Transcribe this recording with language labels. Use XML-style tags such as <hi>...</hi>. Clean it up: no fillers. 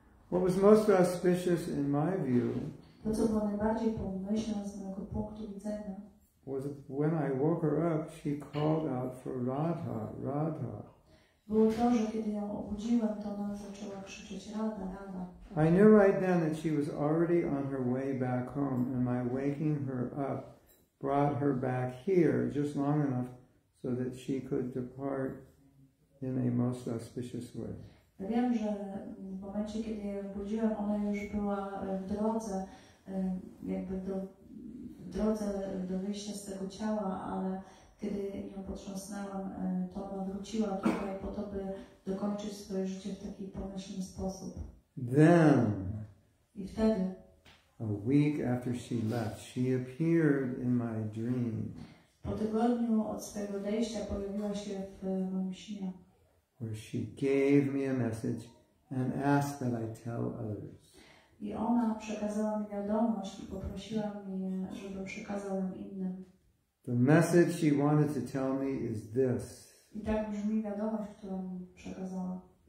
<en>What was most auspicious in my view was when I woke her up, she called out for Radha, Radha.</en> <pl>Było to, że kiedy ją obudziłem, to ona zaczęła krzyczeć Radha, Radha.</pl> <en>I knew right then that she was already on her way back home and my waking her up brought her back here just long enough so that she could depart in a most auspicious way.</en> <pl>Ja wiem, że w momencie, kiedy ją obudziłem, ona już była w drodze, jakby do, w drodze do wyjścia z tego ciała, ale kiedy ją potrząsnęłam, to ona wróciła tutaj po to, by dokończyć swoje życie w taki pomyślny sposób.</pl> <en>Then,</en> <pl>i wtedy,</pl> <en>a week after she left, she appeared in my dream.</en> <pl>Po tygodniu od swojego odejścia pojawiła się w moim śnie.</pl> <en>Where she gave me a message and asked that I tell others.</en> <pl>I ona przekazała mi wiadomość i poprosiła mnie, żebym przekazał ją innym.</pl> <en>The message she wanted to tell me is this.</en> <pl>I tak brzmi wiadomość, którą mi przekazała.</pl>